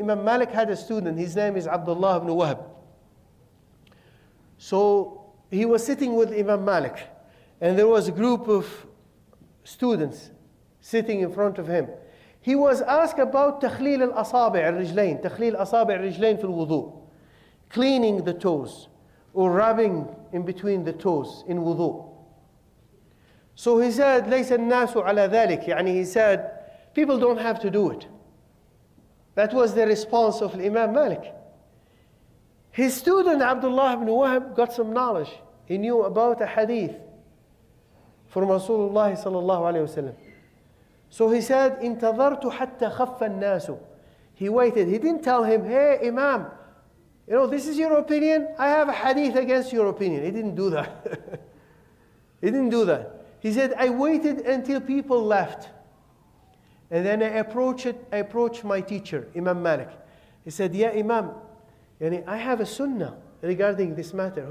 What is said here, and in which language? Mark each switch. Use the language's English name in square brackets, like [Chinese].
[English] Imam Malik had a student. His name is Abdullah ibn Wahab. So he was sitting with Imam Malik, and there was a group of students sitting in front of him. He was asked about [Arabic] تخليل الأصابع الرجلين, تخليل الأصابع الرجلين في الوضوء, [English] cleaning the toes or rubbing in between the toes in wudu. So he said, [Arabic] ليس الناس على ذلك. [English] يعني he said, people don't have to do it. That was the response of Imam Malik. His student Abdullah ibn Wahab got some knowledge. He knew about a hadith from Rasulullah sallallahu alayhi wasallam. So he said, [Arabic] انتظرتُ حتّى خفّ الناس. [English] He waited. He didn't tell him, hey, Imam, you know, this is your opinion. I have a hadith against your opinion. He didn't do that. He said, I waited until people left. And then I approached my teacher, Imam Malik. He said, yeah, Imam, I have a sunnah regarding this matter.